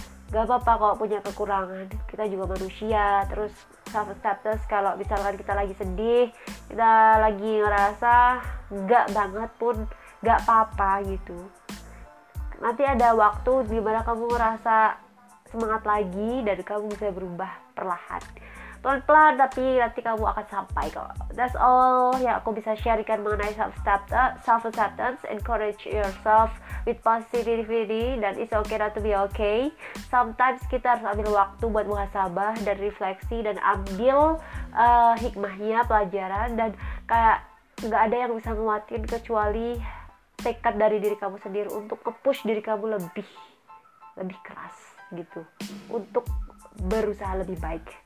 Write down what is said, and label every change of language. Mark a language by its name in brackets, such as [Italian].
[Indonesian] Gak apa-apa kalau punya kekurangan, kita juga manusia. Terus self-acceptance, kalau misalkan kita lagi sedih, kita lagi ngerasa gak banget pun gak apa-apa gitu. Nanti ada waktu dimana kamu ngerasa semangat lagi dan kamu bisa berubah perlahan, pelan-pelan, tapi nanti kamu akan sampai kok. [English] That's all [Indonesian] yang aku bisa sharekan mengenai self-acceptance. [English] Encourage yourself with positivity, [Indonesian] dan [English] it's okay not to be okay. [Indonesian] Sometimes kita harus ambil waktu buat muhasabah dan refleksi, dan ambil hikmahnya, pelajaran, dan kayak gak ada yang bisa nguatin kecuali tekad dari diri kamu sendiri untuk nge-push diri kamu lebih keras gitu, untuk berusaha lebih baik.